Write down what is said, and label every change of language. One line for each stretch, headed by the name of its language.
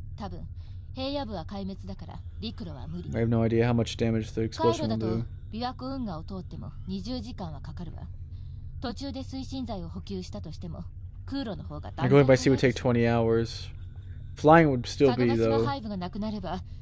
Japanese: 爆発の影響で沿岸部にどの程度の被害が出るかわからないでしょ。多分平野部は壊滅だから陸路は無理。
English: I have no idea how much damage the explosion will do.
Japanese: 海路だと琵琶湖運河を通っても 20時間はかかるわ。途中で推進剤を補給したとしても空路の方が断然。
English: Going by sea would take 20 hours. Flying would still be though.
Japanese: 佐渡島ハイブがなくなれば。